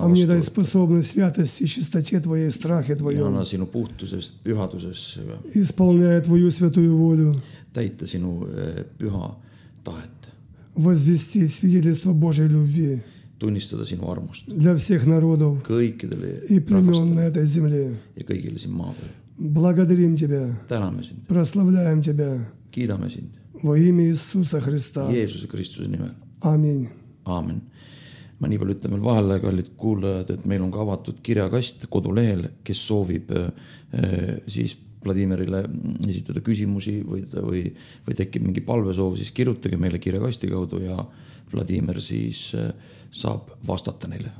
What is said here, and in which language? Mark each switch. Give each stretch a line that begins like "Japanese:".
Russian: vastu. А мне дай способность святости и чистоте твоей, страхе твоем.
Estonian: Ja anna sinu puhtusest, pühadusesse.
Russian: Исполняя твою святую волю.
Estonian: Täita sinu püha tahet.
Russian: Возвести свидетельство Божьей любви.
Estonian: Tunnistada sinu armust.
Russian: Для всех народов.
Estonian: Kõikidele
Russian: и племен на этой земле.
Estonian: Ja kõigile siin maa peal.
Russian: Благодарим тебя.
Estonian: Täname sind.
Russian: Прославляем тебя.
Estonian: Kiidame sind.
Russian: Во имя Иисуса Христа.
Estonian: Jeesuse Kristuse nime.
Russian: Amin.
Estonian: Amin. Ma nii palju ütlen veel vahele, kallid kuulajad, et meil on ka avatud kirjakast kodulehel, kes soovib siis Vladimirile esitada küsimusi või tekib mingi palvesoov, siis kirjutage meile kirjakasti kaudu ja Vladimir siis saab vastata neile.